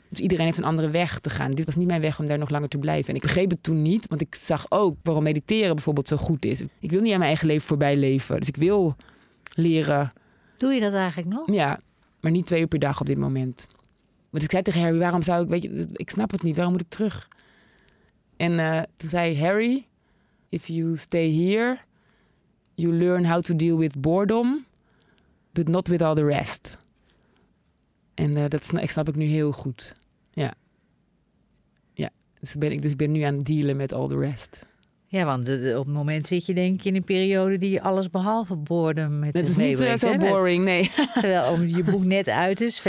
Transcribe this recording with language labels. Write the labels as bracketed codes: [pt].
[nl] Dus iedereen heeft een andere weg te gaan. Dit was niet mijn weg om daar nog langer te blijven. En ik begreep het toen niet, want ik zag ook waarom mediteren bijvoorbeeld zo goed is. Ik wil niet aan mijn eigen leven voorbij leven. Dus ik wil leren... Doe je dat eigenlijk nog? Ja, maar niet 2 uur per dag op dit moment. Want ik zei tegen Harry, waarom zou ik... Weet je, ik snap het niet, waarom moet ik terug? En toen zei Harry, [en] if you stay here, you learn how to deal with boredom, but not with all the rest. [nl] En dat snap ik nu heel goed. Ja. Ja. Dus ben ik nu aan het dealen met [en] all the rest. [nl] Ja, want op het moment zit je denk ik in een periode die alles behalve boredom met dat zich meebrengt. Dat is niet zo boring, nee. Terwijl je boek net uit is.